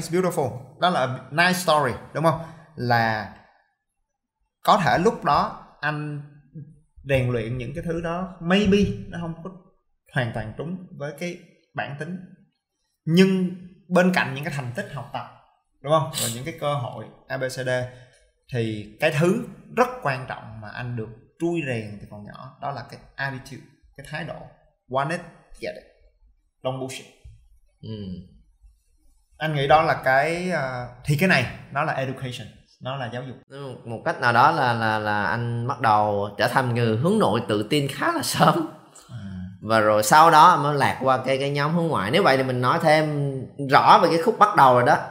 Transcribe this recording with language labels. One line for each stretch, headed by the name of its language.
English: It's beautiful,
Vietnamese: đó là
English: nice story,
Vietnamese: đúng không? Là có thể lúc đó anh rèn luyện những cái thứ đó maybe nó không có hoàn toàn trúng với cái bản tính, nhưng bên cạnh những cái thành tích học tập, đúng không, và những cái cơ hội ABCD, thì cái thứ rất quan trọng mà anh được trui rèn từ còn nhỏ đó là cái attitude, cái thái độ.
English: Want it, get it, don't bullshit.
Vietnamese: Anh nghĩ đó là cái thì cái này nó là education, nó là giáo dục một cách nào đó, là anh bắt đầu trở thành người hướng nội tự tin khá là sớm. Và rồi sau đó mới lạc qua cái nhóm hướng ngoại. Nếu vậy thì mình nói thêm rõ về cái khúc bắt đầu rồi đó.